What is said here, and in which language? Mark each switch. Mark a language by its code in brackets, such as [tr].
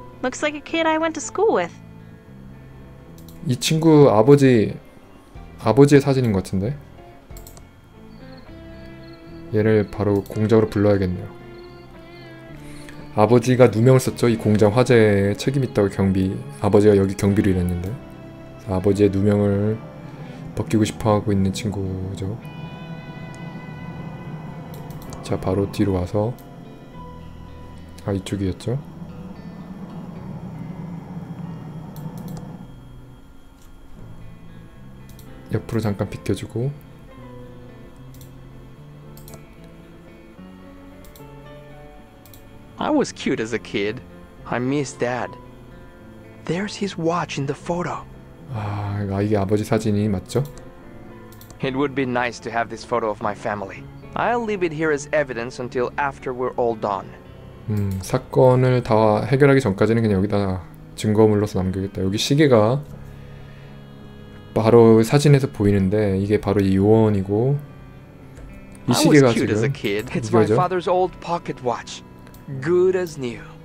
[en] Looks like a kid I went to school with. [ko] 이 친구 아버지의 사진인 것 같은데. 얘를 바로 공장으로 불러야겠네요. 아버지가 누명을 썼죠. 이 공장 화재에 책임 있다고 경비. 아버지가 여기 경비로 일했는데. 아버지의 누명을 벗기고 싶어 하고 있는 친구죠. 자, 바로 뒤로 와서. 아, 이쪽이었죠. 옆으로 잠깐 비켜주고. [en] 'I was cute as a kid. I miss dad. There's his watch in the photo.' [ko] 아, 이게 아버지 사진이 맞죠? [en] It would be nice to have this photo of my family. I'll leave it here as evidence until after we're all done. [ko] 사건을 다 해결하기 전까지는 그냥 여기다 증거물로서 남기겠다. 여기 시계가 바로 사진에서 보이는데 이게 바로 이 요원이고 이 시계가 지금 누구죠? [en] It's my father's old pocket watch. Good as new.